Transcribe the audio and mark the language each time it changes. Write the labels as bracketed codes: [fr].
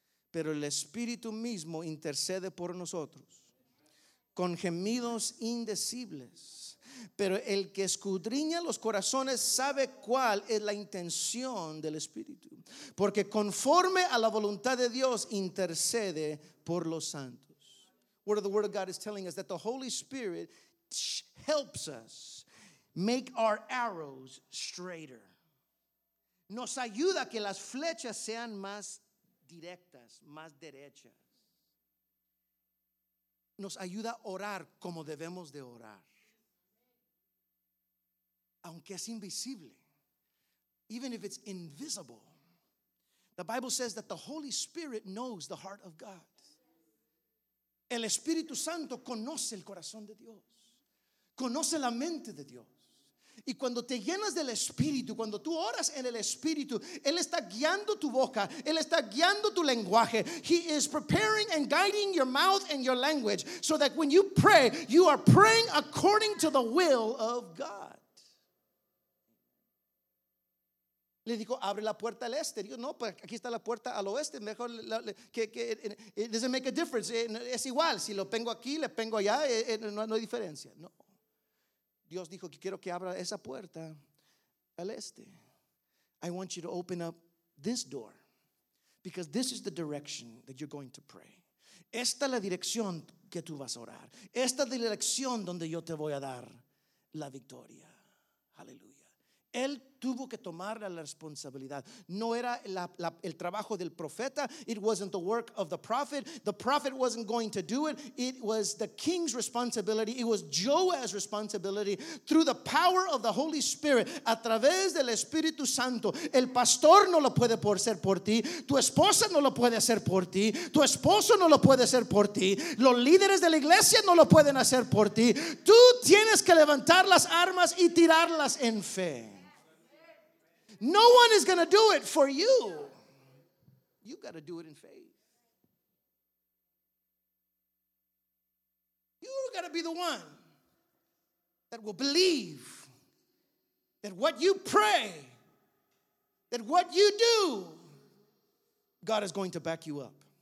[es] Pero el Espíritu mismo intercede por nosotros con gemidos indecibles. Pero el que escudriña los corazones sabe cuál es la intención del Espíritu. Porque conforme a la voluntad de Dios intercede por los santos. [en] What the Word of God is telling us, that the Holy Spirit helps us make our arrows straighter. [es] Nos ayuda que las flechas sean más directas, más derechas. Nos ayuda a orar como debemos de orar. Aunque es invisible. [en] Even if it's invisible. The Bible says that the Holy Spirit knows the heart of God. [es] El Espíritu Santo conoce el corazón de Dios, conoce la mente de Dios. Y cuando te llenas del Espíritu, cuando tú oras en el Espíritu, Él está guiando tu boca, Él está guiando tu lenguaje. [en] He is preparing and guiding your mouth and your language so that when you pray, you are praying according to the will of God. [es] Le digo, abre la puerta al este. Digo, no, pues aquí está la puerta al oeste. Mejor que [en] it doesn't make a difference. [es] Es igual. Si lo pongo aquí, le pongo allá, no hay diferencia. No. Dios dijo que quiero que abra esa puerta al este. [en] I want you to open up this door because this is the direction that you're going to pray. [es] Esta es la dirección que tú vas a orar. Esta es la dirección donde yo te voy a dar la victoria. Aleluya. Él tuvo que tomar la responsabilidad. No era el trabajo del profeta. [en] It wasn't the work of the prophet. The prophet wasn't going to do it. It was the king's responsibility. It was Joab's responsibility. Through the power of the Holy Spirit, [es] a través del Espíritu Santo, el pastor no lo puede hacer por ti. Tu esposa no lo puede hacer por ti. Tu esposo no lo puede hacer por ti. Los líderes de la iglesia no lo pueden hacer por ti. Tú tienes que levantar las armas y tirarlas en fe. [en] No one is going to do it for you. You got to do it in faith. You got to be the one that will believe that what you pray, that what you do, God is going to back you up.